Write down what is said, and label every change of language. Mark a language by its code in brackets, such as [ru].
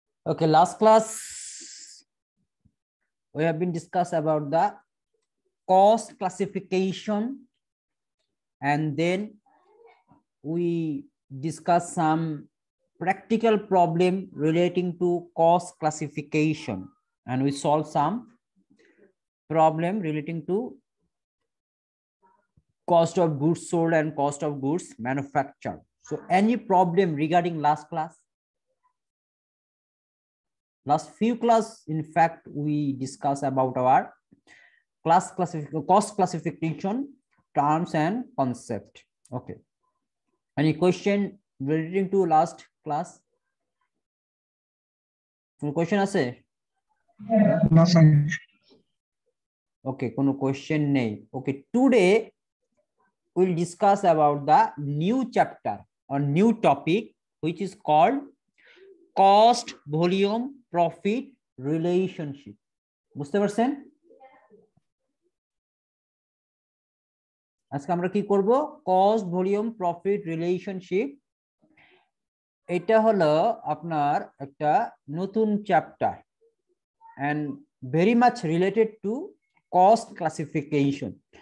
[en] Okay, last class we have been discuss about the cost classification, and then we discuss some practical problem relating to cost classification, and we solve some problem relating to cost of goods sold and cost of goods manufacture. So any problem regarding last class? Last few class, in fact, we discuss about our class classification, cost classification terms and concept. Okay. Any question relating to last class? [bn] Kono question ase? [en] No, sir. [bn] Okay, kono question nahi. [en] Okay, today we'll discuss about the new chapter or new topic, which is called cost volume profit relationship. [bn] বুঝতে পারছেন? আজকে আমরা কি করব, cost volume profit relationship, এটা হলো আপনার একটা নতুন chapter [en] And very much related to cost classification.